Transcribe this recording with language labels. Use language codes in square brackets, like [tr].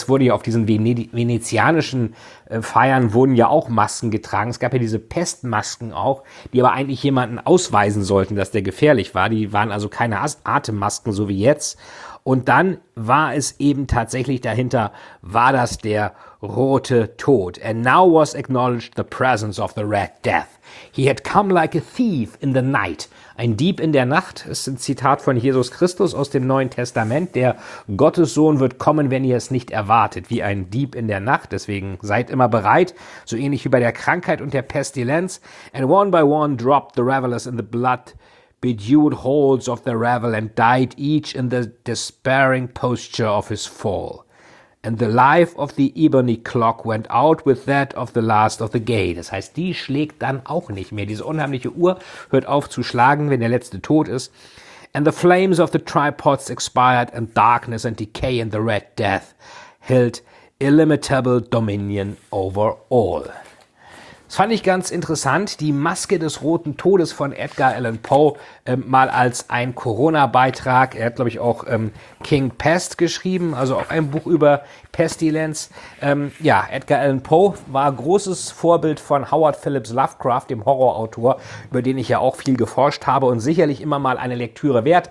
[de] Es wurde ja auf diesen venezianischen Feiern wurden ja auch Masken getragen. Es gab ja diese Pestmasken auch, die aber eigentlich jemanden ausweisen sollten, dass der gefährlich war. Die waren also keine Atemmasken, so wie jetzt. Und dann war es eben tatsächlich dahinter, war das der Rote Tod. [en] And now was acknowledged the presence of the Red Death. He had come like a thief in the night. [de] Ein Dieb in der Nacht, ist ein Zitat von Jesus Christus aus dem Neuen Testament. Der Gottessohn wird kommen, wenn ihr es nicht erwartet, wie ein Dieb in der Nacht. Deswegen seid immer bereit, so ähnlich wie bei der Krankheit und der Pestilenz. [en] And one by one dropped the revelers in the blood bedewed halls of the revel and died each in the despairing posture of his fall. And the life of the ebony clock went out with that of the last of the gay. [de] Das heißt, die schlägt dann auch nicht mehr. Diese unheimliche Uhr hört auf zu schlagen, wenn der letzte tot ist. [en] And the flames of the tripods expired and darkness and decay and the red death held illimitable dominion over all. [de] Das fand ich ganz interessant, die Maske des Roten Todes von Edgar Allan Poe mal als ein Corona-Beitrag. Er hat, glaube ich, auch King Pest geschrieben, also auch ein Buch über Pestilenz. Ja, Edgar Allan Poe war großes Vorbild von Howard Phillips Lovecraft, dem Horrorautor, über den ich ja auch viel geforscht habe und sicherlich immer mal eine Lektüre wert.